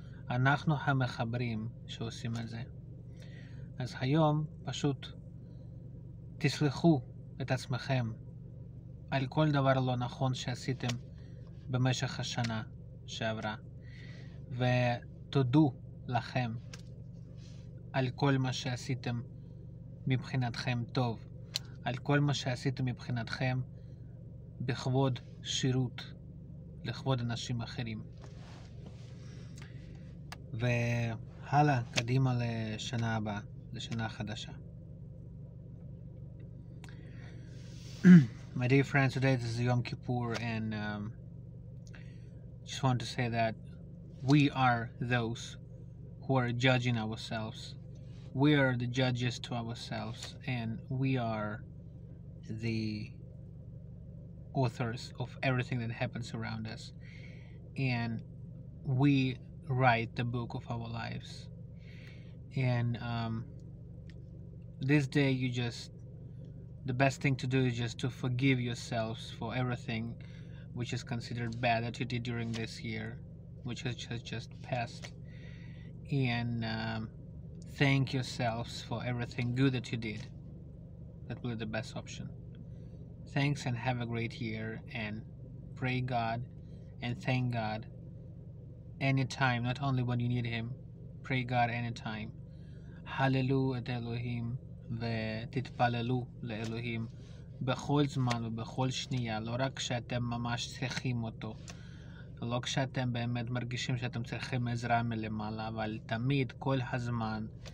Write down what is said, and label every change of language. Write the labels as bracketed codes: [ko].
[he] אנחנו המחברים שעושים את זה. אז היום פשוט תסלחו את עצמכם על כל דבר לא נכון שעשיתם במשך השנה שעברה, ותודו לכם על כל מה שעשיתם מבחינתכם טוב, על כל מה שעשיתם מבחינתכם בכבוד שירות לכבוד אנשים אחרים. והלאה, קדימה לשנה הבאה, לשנה חדשה. [en] My dear friends, today this is Yom Kippur, and just want to say that we are those who are judging ourselves. We are the judges to ourselves, and we are the authors of everything that happens around us, and we write the book of our lives. And this day, you just, the best thing to do is just to forgive yourselves for everything which is considered bad that you did during this year, which has just passed, and thank yourselves for everything good that you did. That will be the best option. Thanks and have a great year, and pray God and thank God anytime, not only when you need him. Pray God anytime. Hallelujah to Elohim. [he] ותתפללו לאלוהים בכל זמן ובכל שנייה, לא רק כשאתם ממש צריכים אותו, לא כשאתם באמת מרגישים שאתם צריכים עזרה מלמעלה, אבל תמיד, כל הזמן,